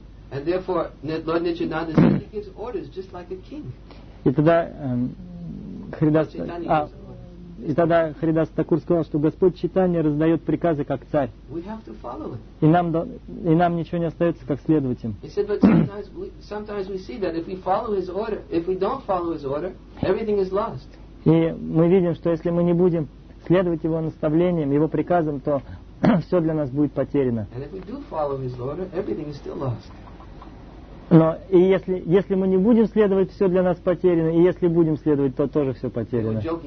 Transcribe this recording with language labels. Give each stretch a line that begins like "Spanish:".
English: And therefore, Lord Nityananda said he gives orders just like a king.
Russian: И тогда Харидас Такур сказал, что Господь Чайтанья раздает приказы как царь.
English: We have to follow it.
Russian: И нам ничего не остается, как следовать им.
English: He said, but sometimes we see that if we follow his order, if we don't follow his order, everything is lost.
Russian: И мы видим, что если мы не будем следовать его наставлениям, его приказам, то все для нас будет потеряно.
English: And if we do follow his order, everything is still lost.
Russian: Но и если мы не будем следовать, все для нас потеряно, и если будем следовать, то тоже все потеряно.